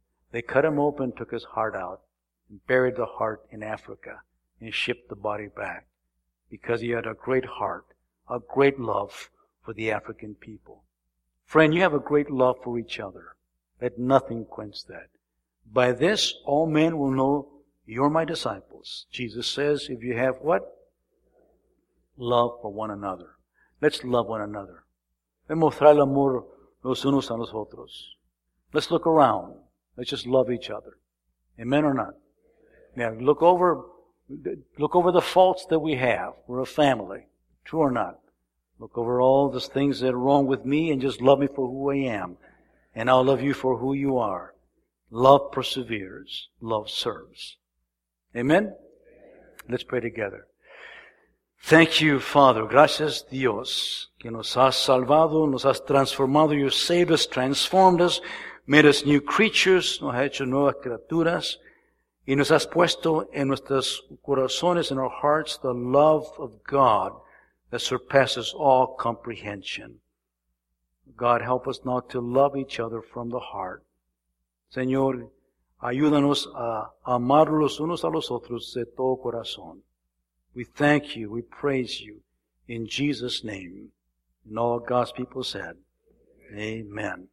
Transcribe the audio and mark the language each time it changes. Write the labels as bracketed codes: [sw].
[en] They cut him open, took his heart out, and buried the heart in Africa, and shipped the body back because he had a great heart, a great love for the African people. Friend, you have a great love for each other. Let nothing quench that. "By this, all men will know you're my disciples," Jesus says, "if you have" what? "Love for one another." Let's love one another. [es] Demostrar el amor los unos a los otros. [en] Let's look around. Let's just love each other. Amen or not? Now, look over the faults that we have. We're a family. True or not? Look over all the things that are wrong with me and just love me for who I am. And I'll love you for who you are. Love perseveres. Love serves. Amen? Let's pray together. Thank you, Father. [es] Gracias, Dios, que nos has salvado, nos has transformado. [en] You saved us, transformed us, made us new creatures, [es] nos ha hecho nuevas criaturas. Y nos has puesto en nuestros corazones, [en] in our hearts, the love of God that surpasses all comprehension. God, help us not to love each other from the heart. [es] Señor, ayúdanos a amar los unos a los otros de todo corazón. [en] We thank you, we praise you, in Jesus' name. And all God's people said, Amen.